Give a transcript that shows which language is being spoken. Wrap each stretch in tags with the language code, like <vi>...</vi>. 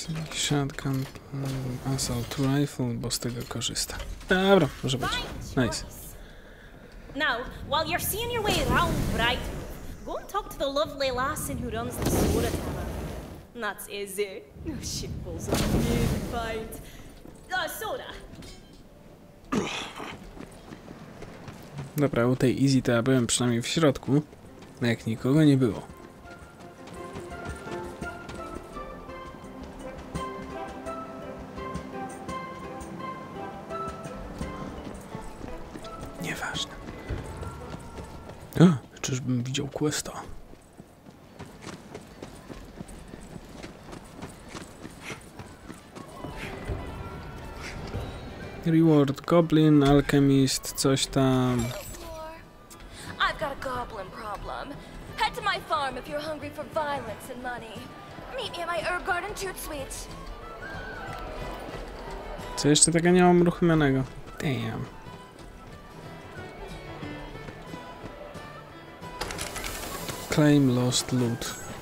<en>Shotgun, assault rifle,</en> <pl>bo z tego korzysta. Dobra, może być.</pl> <en>Nice. Now, while you're seeing your way around Bright, go and talk to the lovely lass in who runs the Sora Tower. That's easy. No, she pulls a mean fight. Sora!</en> <pl>Dobra, u tej Easy to ja byłem przynajmniej w środku, jak nikogo nie było. Nieważne. A, czyżbym widział questa?</pl> <en>Reward Goblin, Alchemist,</en> <pl>coś tam.</pl> <en>I've got a goblin problem. Head to my farm if you're hungry for violence and money. Meet me in my herb garden toot sweet.</en> <pl>Co jeszcze tego nie mam uruchomionego?</pl> <en>Damn. Claim lost loot.</en>